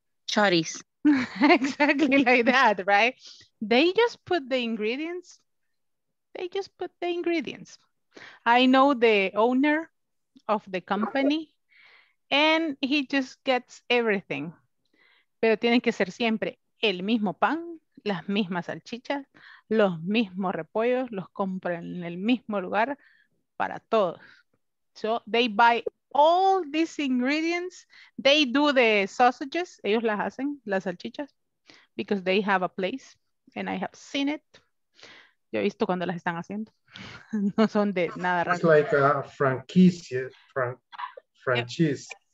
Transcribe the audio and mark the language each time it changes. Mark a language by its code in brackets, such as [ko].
[es] Chorizo. [en] Exactly like that, right? They just put the ingredients. They just put the ingredients. I know the owner of the company and he just gets everything. [es] Pero tiene que ser siempre el mismo pan, las mismas salchichas, los mismos repollos, los compra en el mismo lugar para todos. [en] So they buy all these ingredients, they do the sausages, [es] ellos las hacen, las salchichas, [en] because they have a place, and I have seen it. [es] Yo he visto cuando las están haciendo. No son de nada raro. [en] It's like a franquicia, franchise.